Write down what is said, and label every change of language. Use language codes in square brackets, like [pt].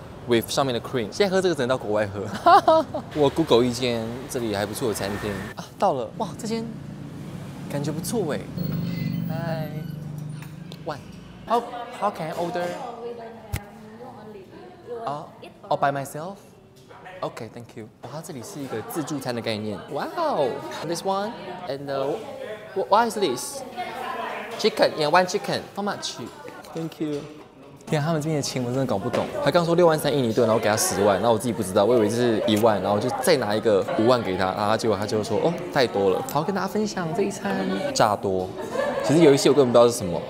[zh] with 上面的 cream， 现在喝这个只能到国外喝。我 Google 一间这里还不错的餐厅啊，到了，哇，这间感觉不错哎。 [en] Hi， one， how can I order？啊， all by myself？ OK， thank you。 [zh] 哇，它这里是一个自助餐的概念。 [en] Wow， this one and why is this？ Chicken， yeah， one chicken。 How much？ Thank you。 [zh] 天啊，他们这边的钱我真的搞不懂。他刚说63印尼盾，然后给他10万，然后我自己不知道，我以为是10000，然后就再拿一个50000给他，然后结果他就说哦太多了。好，跟大家分享这一餐炸多，其实有一些我根本不知道是什么。